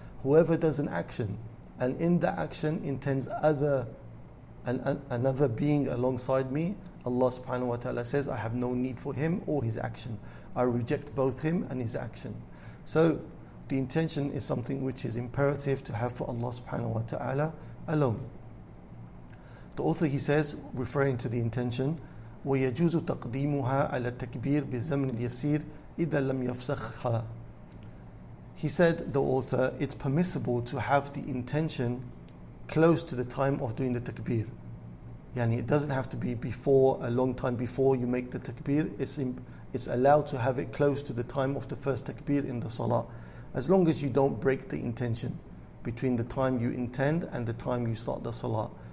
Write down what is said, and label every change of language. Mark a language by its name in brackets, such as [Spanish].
[English] Whoever does an action and in that action intends another being alongside me, Allah subhanahu wa ta'ala says, I have no need for him or his action. I reject both him and his action. So the intention is something which is imperative to have for Allah subhanahu wa ta'ala alone. The author, he says, referring to the intention, [Arabic] وَيَجُوزُ تَقْدِيمُهَا عَلَى التَّكْبِيرِ بِالزَّمْنِ الْيَسِيرِ إِذَا لَمْ يَفْسَخْهَا. [English] He said, the author, it's permissible to have the intention close to the time of doing the takbir. Yani it doesn't have to be before, a long time before you make the takbir. It's allowed to have it close to the time of the first takbir in the salah, as long as you don't break the intention between the time you intend and the time you start the salah.